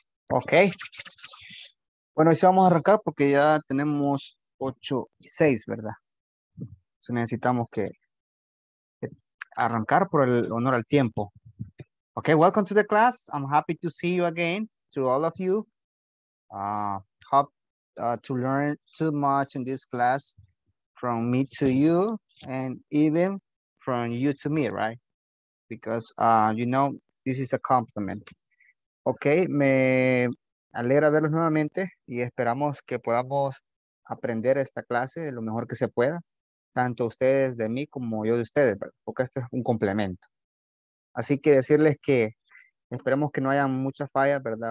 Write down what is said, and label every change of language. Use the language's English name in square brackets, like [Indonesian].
[Spanish] Ok. Bueno, y si vamos a arrancar porque ya tenemos 8 y 6, ¿verdad? Entonces necesitamos que arrancar por el honor al tiempo. [English] Ok, welcome to the class. I'm happy to see you again, to all of you. To learn too much in this class from me to you and even from you to me, right? Because, you know, this is a compliment. [Spanish] Ok, me alegra verlos nuevamente y esperamos que podamos aprender esta clase de lo mejor que se pueda, tanto ustedes de mí como yo de ustedes, porque este es un complemento. Así que decirles que esperemos que no haya muchas fallas, ¿verdad?